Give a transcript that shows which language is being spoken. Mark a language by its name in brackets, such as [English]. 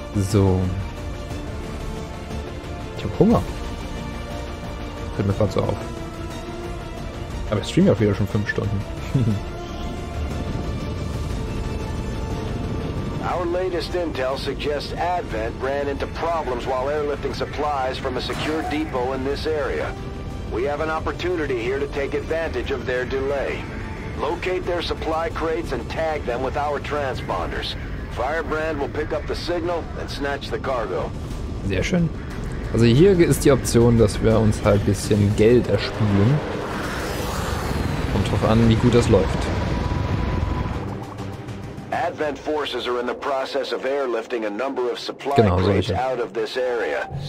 [German] So. Ich hab Hunger. Fällt mir gerade so auf. Aber ich streame ja auch wieder schon 5 Stunden. [English] Our latest intel suggests Advent ran into problems while airlifting supplies from a secure depot in this area. We have an opportunity here to take advantage of their delay. Locate their supply crates and tag them with our transponders. Firebrand will pick up the signal and snatch the cargo. [German] Sehr schön. Also hier ist die Option, dass wir uns halt ein bisschen Geld erspielen. Kommt drauf an, wie gut das läuft. [English] Advent forces are in the process of airlifting a number of supply crates out of this area.